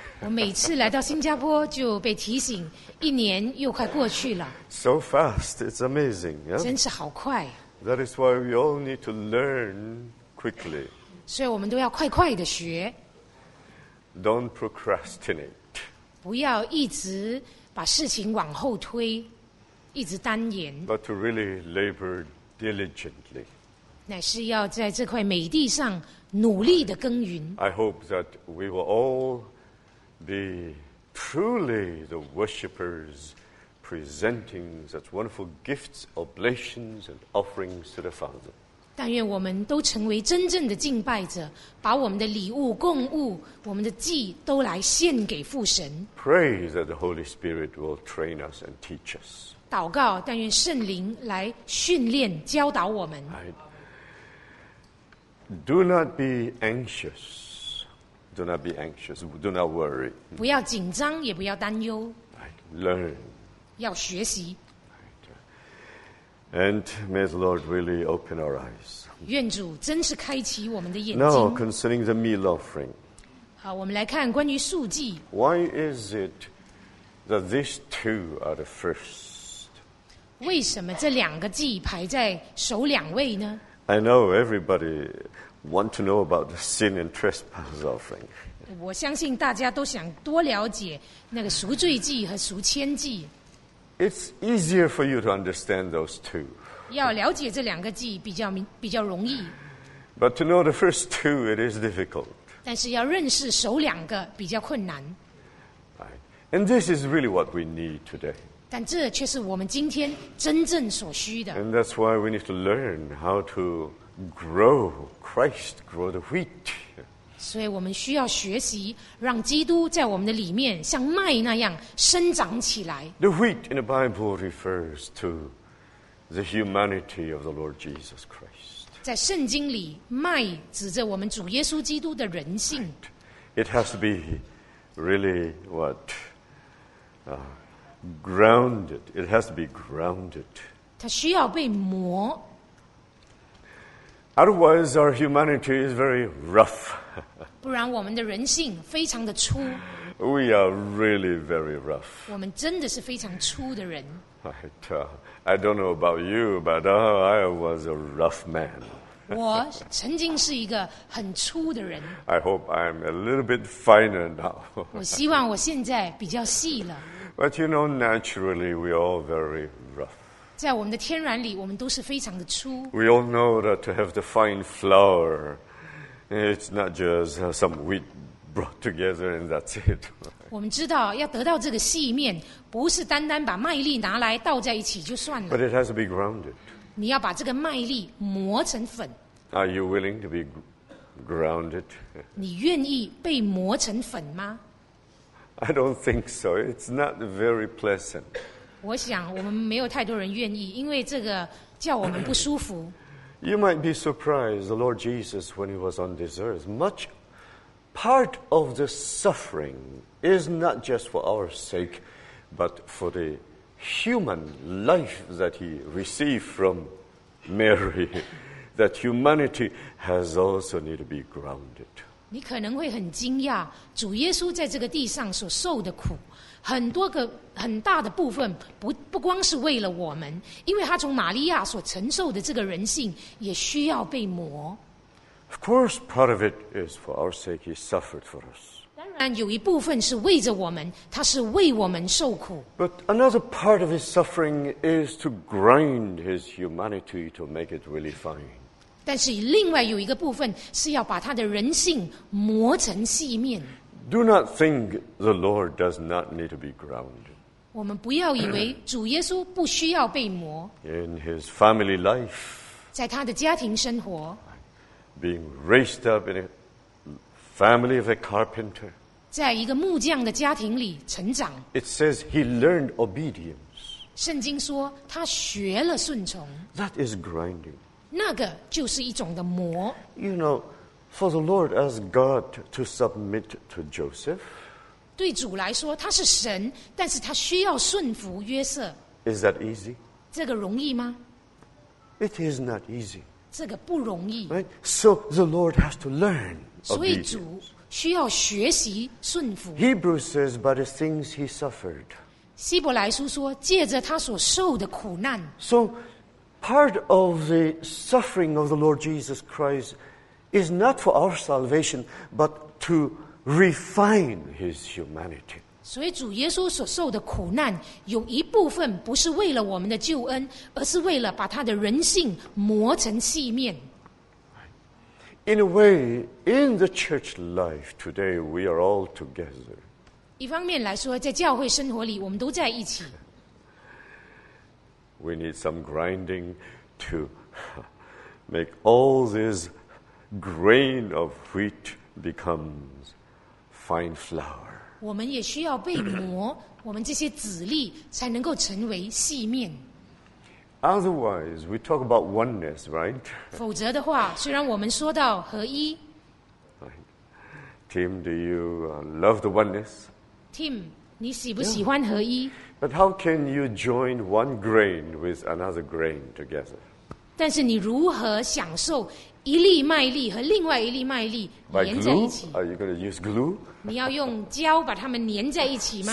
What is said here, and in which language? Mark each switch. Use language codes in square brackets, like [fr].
[zh] 我每次来到新加坡就被提醒，一年又快过去了。 [en] So fast, it's amazing. [zh] 真是好快。 [en] That is why we all need to learn quickly. [zh] 所以我们都要快快的学。 [en] Don't procrastinate. [zh] 不要一直把事情往后推，一直单延。 [en] But to really labor diligently. [zh] 乃是要在这块美地上努力的耕耘。 [en] I hope that we will all be truly the worshippers presenting such wonderful gifts, oblations, and offerings to the Father. [zh] 但愿我们都成为真正的敬拜者，把我们的礼物、供物、我们的祭都来献给父神。 [en] Pray that the Holy Spirit will train us and teach us. [zh] 祷告，但愿圣灵来训练、教导我们。 [en] Do not be anxious. Do not be anxious. Do not worry. [zh] 不要紧张，也不要担忧。 [en] Learn. [zh] 要学习。 [en] And may the Lord really open our eyes. [zh] 愿主真是开启我们的眼睛。 [en] Now concerning the meal offering. [zh] 好，我们来看关于素祭。 [en] Why is it that these two are the first? [zh] 为什么这两个祭排在首两位呢？ [en] I know everybody want to know about the sin and trespass offering. [zh] 我相信大家都想多了解那个赎罪祭和赎愆祭。 [en] It's easier for you to understand those two. [zh] 要了解这两个祭比较容易。 [en] But to know the first two, it is difficult. [zh] 但是要认识首两个比较困难。 [en] Right. And this is really what we need today. [zh] 但这却是我们今天真正所需的。 [en] And that's why we need to learn how to grow Christ, grow the wheat. [zh] 所以我们需要学习，让基督在我们的里面像麦那样生长起来。 [en] The wheat in the Bible refers to the humanity of the Lord Jesus Christ. [zh] 在圣经里，麦指着我们主耶稣基督的人性。 [en] It has to be really what. Grounded. It has to be grounded. [zh] 它需要被磨。 [en] Otherwise, our humanity is very rough. [zh] 不然我们的人性非常的粗。 [en] We are really very rough. [zh] 我们真的是非常粗的人。 [en] I don't know about you, but I was a rough man. [zh] 我曾经是一个很粗的人。 [en] I hope I'm a little bit finer now. [zh] 我希望我现在比较细了。 [en] But you know, naturally, we are all very rough. [zh] 在我们的天然里，我们都是非常的粗。 [en] We all know that to have the fine flour, it's not just some wheat brought together and that's it. [zh] 我们知道要得到这个细面，不是单单把麦粒拿来倒在一起就算了。 [en] But it has to be grounded. [zh] 你要把这个麦粒磨成粉。 [en] Are you willing to be grounded? [zh] 你愿意被磨成粉吗？ [en] I don't think so. It's not very pleasant. [zh] 我想我们没有太多人愿意，因为这个叫我们不舒服。 [en] You might be surprised, the Lord Jesus, when he was on this earth, much part of the suffering is not just for our sake, but for the human life that he received from Mary, that humanity has also need to be grounded. [zh] 你可能会很惊讶，主耶稣在这个地上所受的苦，很多个很大的部分不光是为了我们，因为他从玛利亚所承受的这个人性也需要被磨。 [en] Of course, part of it is for our sake; he suffered for us. [zh] 当然，有一部分是为着我们，他是为我们受苦。 [en] But another part of his suffering is to grind his humanity to make it really fine. [zh] 但是另外有一个部分是要把他的人性磨成细面。 [en] Do not think the Lord does not need to be grounded. [zh] 我们不要以为主耶稣不需要被磨。 [en] In his family life, [zh] 在他的家庭生活 [en] ，being raised up in a family of a carpenter, [zh] 在一个木匠的家庭里成长 [en] ，it says he learned obedience. [zh] 圣经说他学了顺从。 [en] That is grinding. [zh] 那个就是一种的磨。 [en] You know, for the Lord as God to submit to Joseph. [zh] 对主来说，他是神，但是他需要顺服约瑟。 [en] Is that easy? [zh] 这个容易吗？ [en] It is not easy. [zh] 这个不容易。 [en] Right? So the Lord has to learn obedience. [zh] 所以主需要学习顺服。 [en] Hebrews says, by the things he suffered. [zh] 希伯来书说，借着他所受的苦难。 [en] So part of the suffering of the Lord Jesus Christ is not for our salvation, but to refine his humanity. [zh] 所以主耶稣所受的苦难有一部分不是为了我们的救恩，而是为了把他的人性磨成细面。 [en] In a way, in the church life today, we are all together. [zh] 一方面来说，在教会生活里，我们都在一起。 [en] We need some grinding to make all this grain of wheat become fine flour. [zh] 我们也需要被磨，我们这些籽粒才能够成为细面。 [en] Otherwise, we talk about oneness, right? [zh] 否则的话，虽然我们说到合一。 [en] Tim, do you love the oneness? [zh] Tim, 你喜不喜欢合一？ [en] But how can you join one grain with another grain together? [zh] 但是你如何享受一粒麦粒和另外一粒麦粒粘在一起？ [en] By glue? Are you going to use glue? [zh] 你要用胶把它们粘在一起吗？